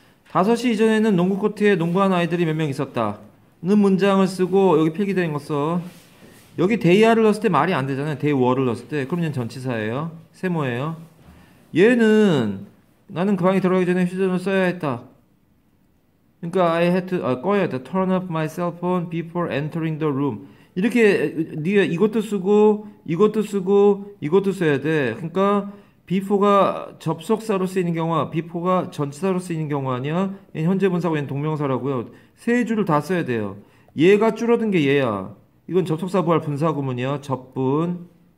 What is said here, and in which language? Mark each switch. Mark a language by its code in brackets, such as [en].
[ko] 5시 이전에는 농구 코트에 농구하는 아이들이 몇명 있었다 는 문장을 쓰고 여기 필기된 것을 여기 대야를 넣었을 때 말이 안 되잖아요. 대워를 넣었을 때 그럼 얘는 전치사예요. 세모예요. 얘는 나는 그 방에 들어가기 전에 휴대전화 써야 했다. 그러니까 [en] I had to [ko] 꺼야 했다. [en] Turn off my cell phone before entering the room. [ko] 이렇게 네가 이것도 쓰고 이것도 쓰고 이것도 써야 돼. 그러니까 before가 접속사로 쓰이는 경우와 before가 전치사로 쓰이는 경우 아니야? 얘는 현재 분사고 얘는 동명사라고요. 세 줄을 다 써야 돼요. 얘가 줄어든 게 얘야. 이건 접속사 부활 분사구문이야. 접분.